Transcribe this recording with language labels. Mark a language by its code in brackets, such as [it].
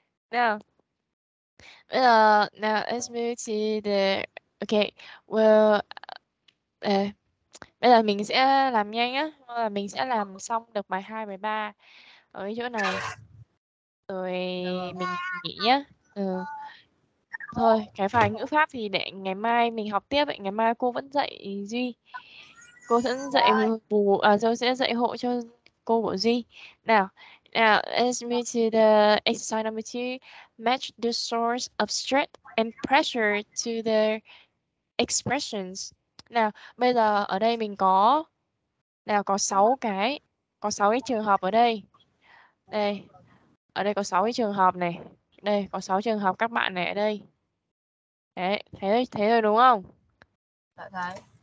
[en] Now, now let's move to the, okay, well, [vi] bây giờ mình sẽ làm nhanh á, là mình sẽ làm xong được bài 2, bài 3 ở cái chỗ này, rồi mình nghỉ nhá. Ừ. Thôi, cái bài ngữ pháp thì để ngày mai mình học tiếp vậy. Ngày mai cô vẫn dạy Duy. Cô vẫn dạy bù, cô sẽ dạy hộ cho cô của Duy. [en] Now, let's move to the exercise number 2. Match the source of stress and pressure to the expressions. [vi] Now, bây giờ ở đây mình có, nào, có 6 cái trường hợp ở đây. Đây, ở đây có 6 cái trường hợp này. Đây, có 6 trường hợp các bạn này ở đây. Đấy, thế rồi đúng không? Dạ thấy.